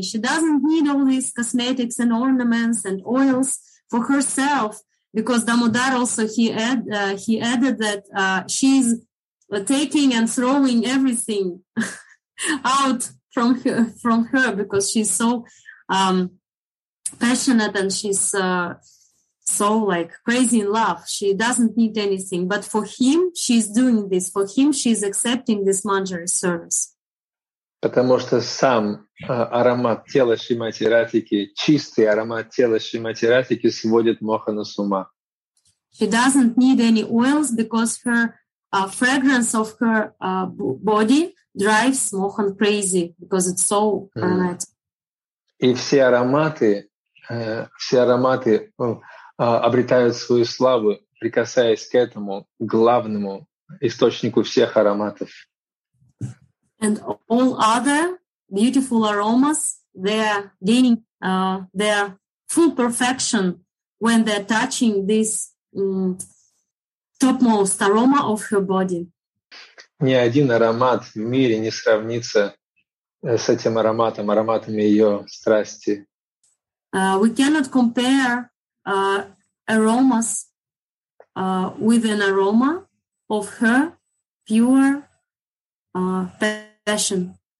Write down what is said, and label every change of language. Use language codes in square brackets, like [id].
[en] She doesn't need all these cosmetics and ornaments and oils for herself, because Damodar also, he added that she's taking and throwing everything out from her because she's so passionate and she's so like crazy in love. She doesn't need anything, but for him she's doing this. For him she's accepting this manjari service. [ru] Потому что сам аромат тела Шримати Радхики, чистый аромат тела Шримати Радхики сводит Мохана с ума. [en] She doesn't need any oils because her fragrance of her body drives Mohan crazy because it's so aromatic. [ru] И все ароматы обретают свою славу, прикасаясь к этому главному источнику всех ароматов. [en] And all other beautiful aromas, they are gaining their full perfection when they're touching this topmost aroma of her body. [ru] Ни один аромат в мире не сравнится с этим ароматом, ароматами ее страсти. [en] We cannot compare aromas with an aroma of her pure passion.